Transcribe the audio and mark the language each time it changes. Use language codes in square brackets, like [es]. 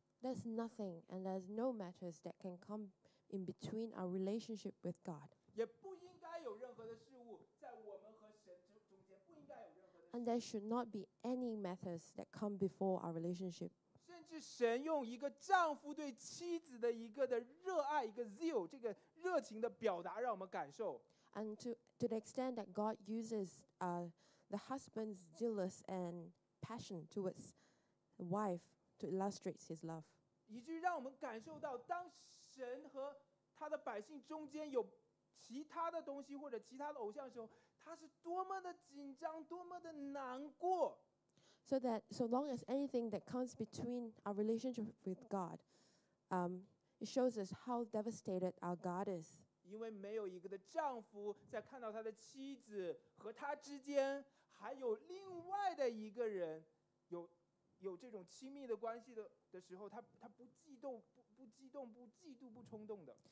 [en] There's nothing and there's no matters that can come in between our relationship with God. [zh] 也不应该有任何的事物在我们和神中间，不应该有任何的事。 [en] And there should not be any matters that come before our relationship. [zh] 甚至神用一个丈夫对妻子的一个的热爱，一个 zeal， 这个热情的表达，让我们感受。 [en] And to the extent that God uses the husband's zealous and passion towards the wife to illustrate his love. [zh] 以至于让我们感受到，当神和他的百姓中间有其他的东西或者其他的偶像的时候，他是多么的紧张，多么的难过。 [en] So that so long as anything that comes between our relationship with God, it shows us how devastated our God is. [zh] 因为没有一个的丈夫在看到他的妻子和他之间还有另外的一个人有这种亲密的关系 的时候，他不激动 不激动不嫉妒不冲动的。